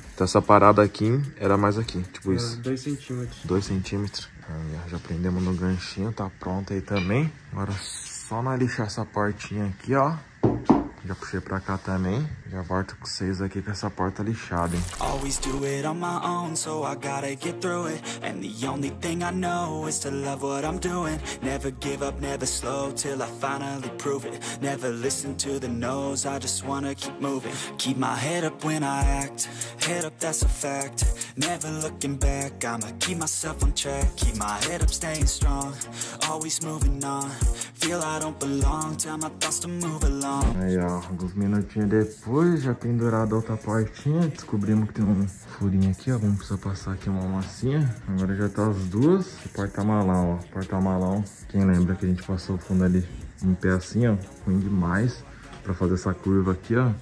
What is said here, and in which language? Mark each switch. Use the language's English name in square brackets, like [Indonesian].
[Portuguese] Então essa parada aqui era mais aqui, tipo era isso. 2 centímetros. 2 centímetros. Aí, ó, já prendemos no ganchinho, tá pronto aí também. Agora só na lixar essa portinha aqui, ó. Já puxei pra cá também. Já volto com vocês aqui com essa porta lixada, hein. [English] Always do it on my own, so I gotta get through it. And the only thing I know is to love what I'm doing. Never give up, never slow, till I finally prove it. Never listen to the no's, I just wanna keep moving. Keep my head up when I act, head up, that's a fact. Never looking back, I'ma keep myself on track. Keep my head up, staying strong, always moving on. Feel I don't belong, tell my thoughts to move along. [Portuguese] Aí, ó, alguns minutinhos depois, já pendurado a outra portinha. Descobrimos que tem um furinho aqui, ó. Vamos precisar passar aqui uma massinha. Agora já tá as duas. E porta-malão, ó. Porta-malão. Quem lembra que a gente passou o fundo ali um pé assim, ó. Ruim demais pra fazer essa curva aqui, ó.